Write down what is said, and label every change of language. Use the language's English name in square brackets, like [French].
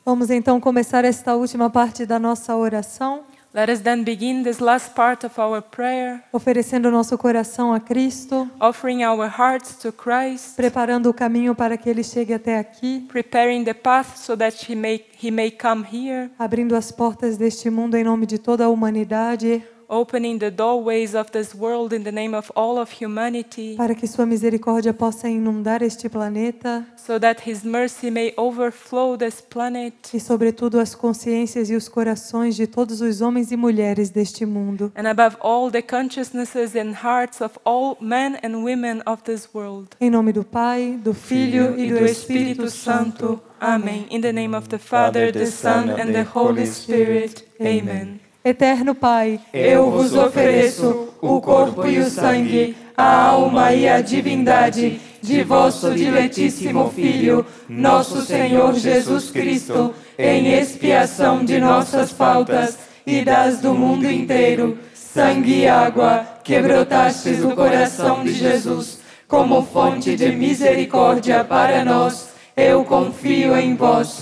[Portuguese] Então começar esta última parte da nossa oração. [English] Let us then begin this last part of our prayer. [Portuguese] Oferecendo nosso coração a Cristo. [English] Offering our hearts to Christ. [Portuguese] Preparando o caminho para que ele chegue até aqui. [English] Preparing the path so that he may come here. [Portuguese] Abrindo as portas deste mundo em nome de toda a humanidade. [English] Opening the doorways of this world in the name of all of humanity. [Portuguese] Para que sua misericórdia possa inundar este planeta. [English] So that his mercy may overflow this planet. [Portuguese] E sobretudo as consciências e os corações de todos os homens e mulheres deste mundo. [English] And above all the consciousnesses and hearts of all men and women of this world. [Portuguese] Em nome do Pai, do Filho e do Espírito Santo. Amém. [English] In the name of the Father, the Son, and the Holy Spirit. Amen. [Portuguese] Eterno Pai, eu vos ofereço o corpo e o sangue, a alma e a divindade de vosso diletíssimo Filho, nosso Senhor Jesus Cristo, em expiação de nossas faltas e das do mundo inteiro, sangue e água, que brotastes do coração de Jesus, como fonte de misericórdia para nós, eu confio em vós.